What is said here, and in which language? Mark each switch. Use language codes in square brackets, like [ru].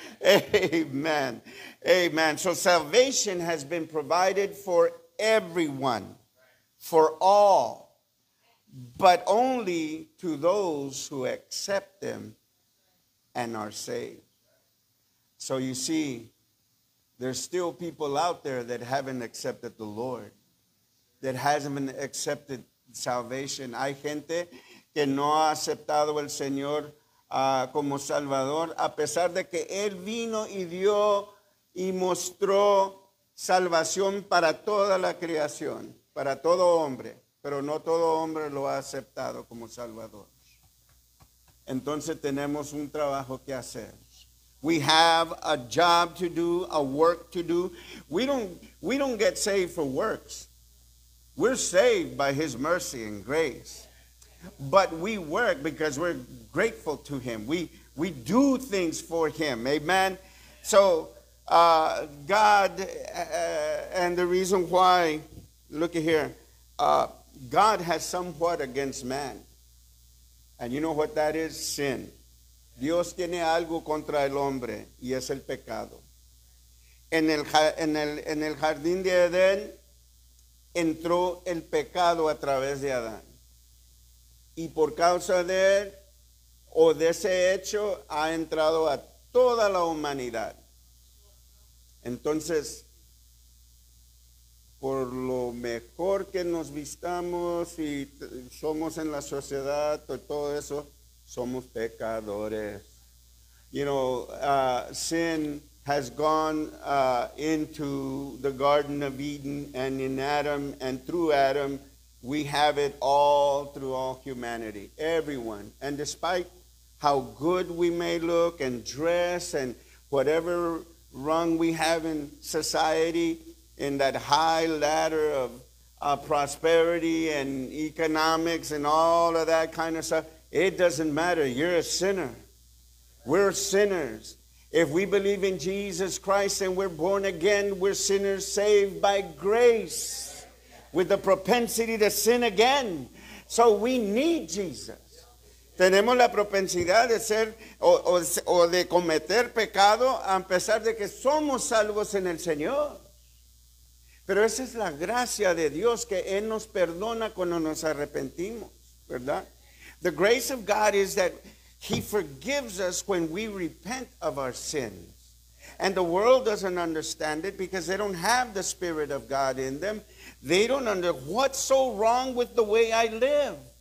[en] Amen. Amen. So salvation has been provided for everyone, for all, but only to those who accept them and are saved. So you see, there's still people out there that haven't accepted the Lord, that hasn't accepted salvation. [es] Hay gente que no ha aceptado el Señor como Salvador, a pesar de que Él vino y dio y mostró Salvación para toda la creación, para todo hombre, pero no todo hombre lo ha aceptado como salvador. Entonces tenemos un trabajo que hacer. [en] We have a job to do, a work to do. We don't get saved for works. We're saved by his mercy and grace. But we work because we're grateful to him. We do things for him. Amen. So God, and the reason why, look at here, God has somewhat against man. And you know what that is? Sin. [es] Dios tiene algo contra el hombre, y es el pecado. En el jardín de Edén, entró el pecado a través de Adán. Y por causa de él, o de ese hecho, ha entrado a toda la humanidad. Entonces, por lo mejor que nos vistamos y somos en la sociedad, todo eso, somos pecadores. [en] You know, sin has gone into the Garden of Eden, and in Adam, and through Adam, we have it all through all humanity, everyone. And despite how good we may look and dress and whatever rung we have in society, in that high ladder of prosperity and economics and all of that kind of stuff, it doesn't matter. You're a sinner. We're sinners. If we believe in Jesus Christ and we're born again, we're sinners saved by grace with the propensity to sin again. So we need Jesus. [es] Tenemos la propensidad de ser o de cometer pecado a pesar de que somos salvos en el Señor. Pero esa es la gracia de Dios, que Él nos perdona cuando nos arrepentimos, ¿verdad? [en] The grace of God is that He forgives us when we repent of our sins. And the world doesn't understand it because they don't have the Spirit of God in them. They don't understand what's so wrong with the way I live.